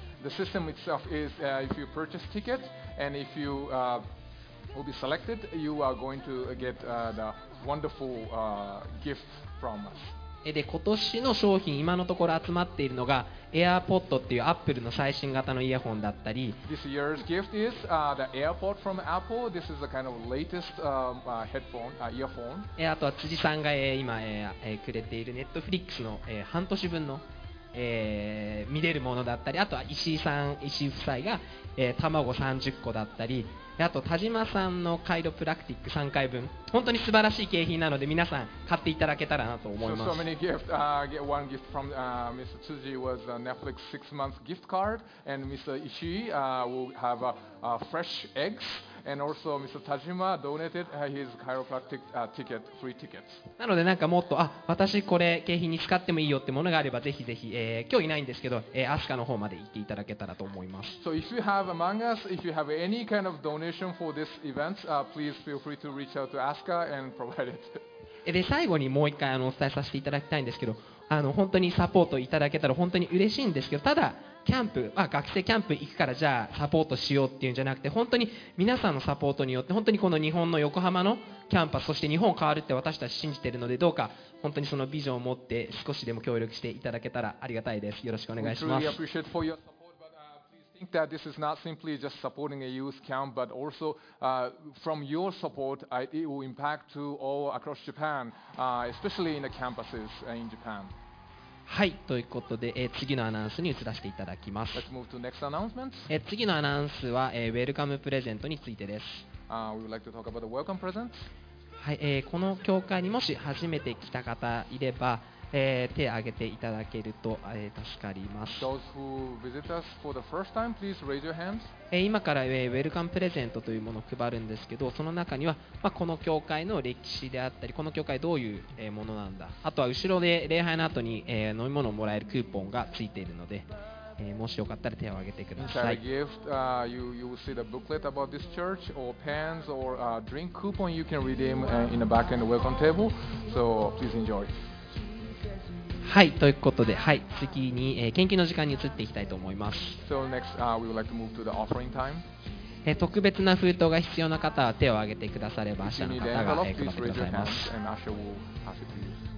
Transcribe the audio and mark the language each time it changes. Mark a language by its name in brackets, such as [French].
[English] The system itself is, if you purchase ticket and if you will be selected, you are going to get the wonderful gift from us. [Japanese] で今年の商品、今のところ集まっているのが AirPod っていう Apple の最新型のイヤホンだったり、 [English] This year's gift is the AirPod from Apple. This is the kind of latest earphone. [Japanese] あとは辻さんが今くれている Netflix の半年分の見れるものだったり、あとは石井さん、石井夫妻が卵30個だったり、あと田島さんのカイロプラクティック3回分、本当に素晴らしい景品なので皆さん買っていただけたらなと思います。 [English] So many gifts, one gift from Mr. Tsuji was a Netflix 6 month gift card, and Mr. Ishii will have fresh eggs, and also Mr. Tajima donated his chiropractic ticket, free ticket. [Japanese] なのでなんかもっと私これ景品に使ってもいいよってものがあれば、ぜひぜひ、今日いないんですけど、アスカの方まで行っていただけたらと思います。 [English] So if you have among us, if you have any kind of donation for this event, please feel free to reach out to Asuka and provide it. [Japanese] で最後にもう一回お伝えさせていただきたいんですけど、本当にサポートいただけたら本当に嬉しいんですけど、ただキャンプ、学生キャンプ行くからじゃあサポートしようっていうんじゃなくて、本当に皆さんのサポートによって本当にこの日本の横浜のキャンパス、そして日本変わるって私たち信じているので、どうか本当にそのビジョンを持って少しでも協力していただけたらありがたいです。よろしくお願いします。 [English] We truly appreciate for your support, but please think that this is not simply just supporting a youth camp, but also from your support, it will impact to all across Japan, especially in the campuses in Japan. [Japanese] はい、ということで、次のアナウンスに移らせていただきます。 [English] Let's move to next announcement. [Japanese] 次のアナウンスは、ウェルカムプレゼントについてです。 [English] We would like to talk about the welcome present. [Japanese] はい、この教会にもし初めて来た方いれば、手を挙げていただけると、助かります [English] 。 Time, [Japanese] 今から、ウェルカムプレゼントというものを配るんですけど、その中には、まあ、この教会の歴史であったり、この教会どういうものなんだ、あとは後ろで礼拝の後に、飲み物をもらえるクーポンがついているので、もしよかったら手を挙げてください。 [English] Inside a gift, you will see the booklet about this church, or pens, or a drink coupon you can redeem in the back end welcome table. So please enjoy. [Japanese] はい、ということで、はい、次に、献金の時間に移っていきたいと思います。 [English] So next, we would like to move to the offering time. [Japanese] 特別な封筒が必要な方は手を挙げてくだされば、あしたの方が配ってくださいます。 [English] And Asher will pass it to you.